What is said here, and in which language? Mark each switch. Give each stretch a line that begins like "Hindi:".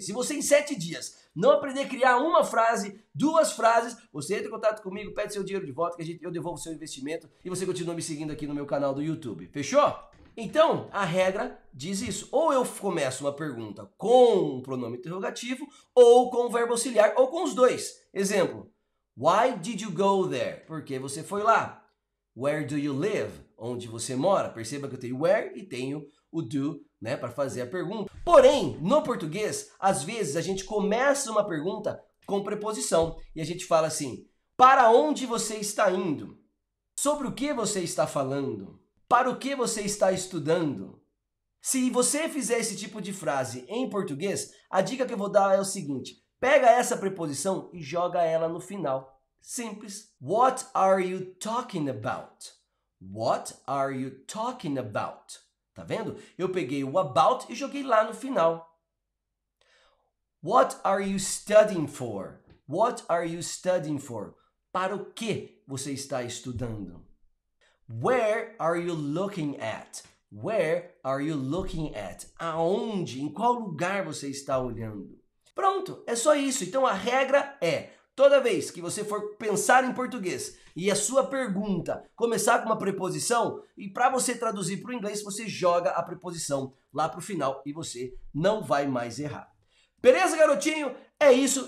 Portuguese: Se você, em 7 dias, não aprender a criar uma frase, duas frases, você entra em contato comigo, pede seu dinheiro de volta, que eu devolvo seu investimento e você continua me seguindo aqui no meu canal do YouTube. Fechou? Então, a regra diz isso. Ou eu começo uma pergunta com um pronome interrogativo, ou com um verbo auxiliar, ou com os dois. Exemplo:
English: Why did you go there?
Portuguese: Por que você foi lá?
English: Where do you live?
Portuguese: Onde você mora? Perceba que eu tenho where e tenho o do, né, para fazer a pergunta. Porém, no português, às vezes a gente começa uma pergunta com preposição e a gente fala assim: para onde você está indo? Sobre o que você está falando? Para o que você está estudando? Se você fizer esse tipo de frase em português, a dica que eu vou dar é o seguinte: pega essa preposição e joga ela no final. Simples.
English: What are you talking about? What are you talking about?
Portuguese: Tá vendo? Eu peguei o about e joguei lá no final.
English: What are you studying for? What are you studying for?
Portuguese: Para o que você está estudando?
English: Where are you looking at? Where are you looking at?
Portuguese: Aonde? Em qual lugar você está olhando? Pronto, é só isso. Então a regra é: toda vez que você for pensar em português e a sua pergunta começar com uma preposição, e para você traduzir para o inglês, você joga a preposição lá para o final e você não vai mais errar. Beleza, garotinho? É isso.